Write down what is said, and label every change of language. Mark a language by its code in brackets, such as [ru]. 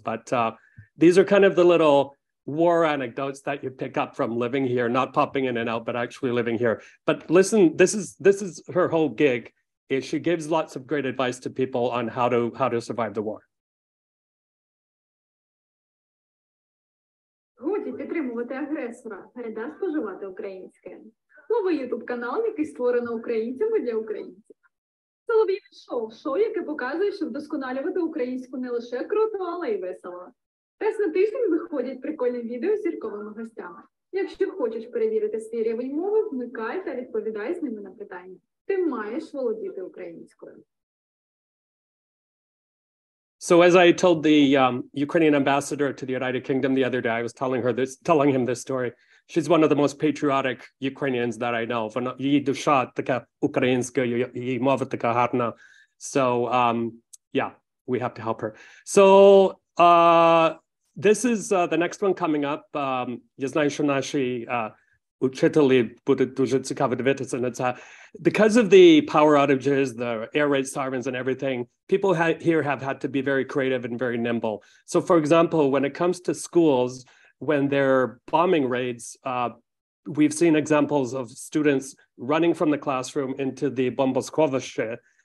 [en] But these are kind of the little war anecdotes that you pick up from living here, not popping in and out, but actually living here. But listen, this is her whole gig. Is she gives lots of great advice to people on how to survive the war. [uk] Годі підтримувати агресора, передасть споживати українське. Новий ютуб-канал, який створено українцями для українців. Солов'їне шоу, яке показує, що вдосконалювати українську не лише круто, але й весело. Раз на тиждень виходять прикольні відео з зірковими гостями. Якщо хочеш перевірити свій рівень мови, вмикай та відповідай з ними на питання. Ти маєш володіти українською. [en] So as I told the Ukrainian ambassador to the United Kingdom the other day, I was telling him this story. She's one of the most patriotic Ukrainians that I know. [uk] Вона її душа така українська, її мова така гарна. [en] So yeah, we have to help her. So this is the next one coming up. [uk] Я знаю, що наші учителі будуть дуже цікаво дивитися на це. [en] Because of the power outages, the air raid sirens and everything, people here have had to be very creative and very nimble. So, for example, when it comes to schools, when there are bombing raids, we've seen examples of students running from the classroom into the бомбосховище.